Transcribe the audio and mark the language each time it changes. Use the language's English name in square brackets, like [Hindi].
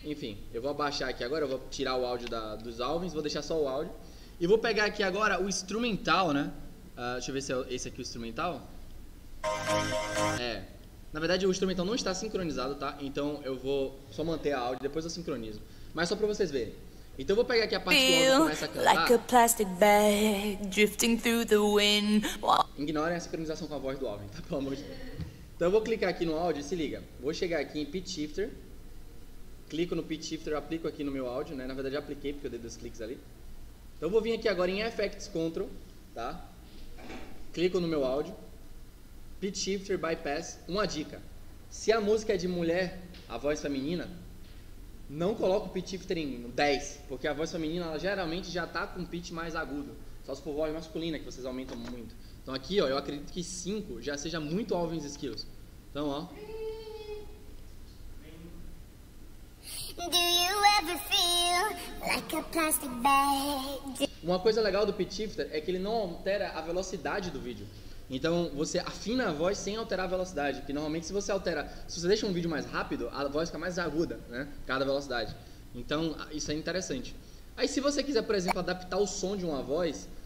[Portuguese] Enfim, eu vou abaixar aqui agora, eu vou tirar o áudio dos Alvins, vou deixar só o áudio. E vou pegar aqui agora o instrumental, né? Deixa eu ver se é esse aqui o instrumental. É. Na verdade o instrumental não está sincronizado, tá? Então eu vou só manter a áudio, depois eu sincronizo. Mas só pra vocês verem. Então eu vou pegar aqui a parte que ela começa a cantar. [English] Like a plastic bag drifting through the wind. [Portuguese] Ignorem a sincronização com a voz do Alvin, tá? Pelo amor de Deus. Então eu vou clicar aqui no áudio, se liga. Vou chegar aqui em pitch shifter. Clico no pitch shifter, aplico aqui no meu áudio, né? Na verdade já apliquei porque eu dei 2 cliques ali. Então eu vou vir aqui agora em effects control, tá? Clico no meu áudio. Pitch shifter bypass. Uma dica. Se a música é de mulher, a voz feminina, não coloca o pitch shifter em 10, porque a voz feminina ela geralmente já está com pitch mais agudo. Só se for voz masculina, que vocês aumentam muito. Então aqui, ó, eu acredito que 5 já seja muito Alvin e Esquilos. Então, ó. [English] Do you ever feel like a plastic bag? [Portuguese] Uma coisa legal do pitch shifter é que ele não altera a velocidade do vídeo. Então você afina a voz sem alterar a velocidade. Porque normalmente se você deixa um vídeo mais rápido, a voz fica mais aguda, né? Cada velocidade. Então isso é interessante. Aí se você quiser, por exemplo, adaptar o som de uma voz.